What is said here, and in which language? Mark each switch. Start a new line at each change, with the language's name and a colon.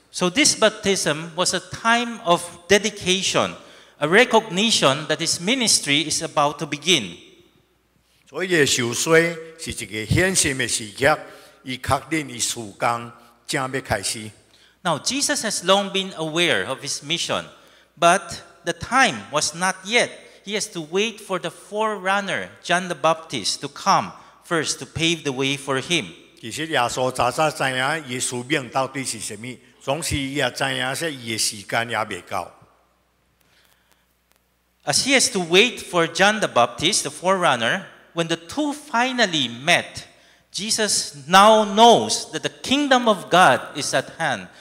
English: So this baptism was a time of dedication, a recognition that his ministry is about to begin.
Min Nan Chinese: 所以受洗是一个显现的时刻，伊确定伊事工正要开始。
English: Now, Jesus has long been aware of his mission, but the time was not yet. He has to wait for the forerunner, John the Baptist, to come first to pave the way for him. As he has to wait for John the Baptist, the forerunner, when the two finally met, Jesus now knows that the kingdom of God is at hand.